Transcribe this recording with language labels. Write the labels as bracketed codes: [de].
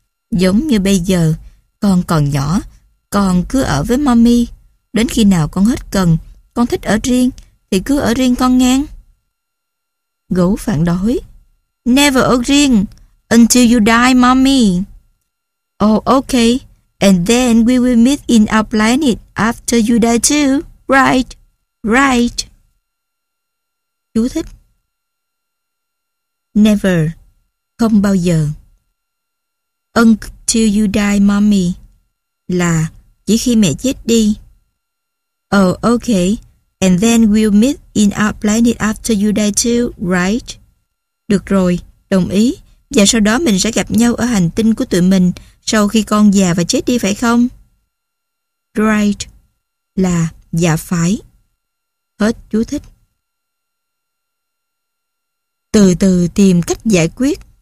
[vi] Giống như bây giờ, con còn nhỏ, con cứ ở với mommy. Đến khi nào con hết cần, con thích ở riêng, thì cứ ở riêng con ngang. Gấu phản đối: never ở riêng, until you die, mommy. [en] Oh, okay, and then we will meet in our planet after you die too, right? Right. [vi] Chú thích: never, không bao giờ. Until you die, mommy, là chỉ khi mẹ chết đi. [en] Oh, okay, and then we'll meet in our planet after you die too, right? [vi] Được rồi, đồng ý. Và sau đó mình sẽ gặp nhau ở hành tinh của tụi mình sau khi con già và chết đi, phải không? Right, là dạ phải. Hết chú thích. Từ từ tìm cách giải quyết.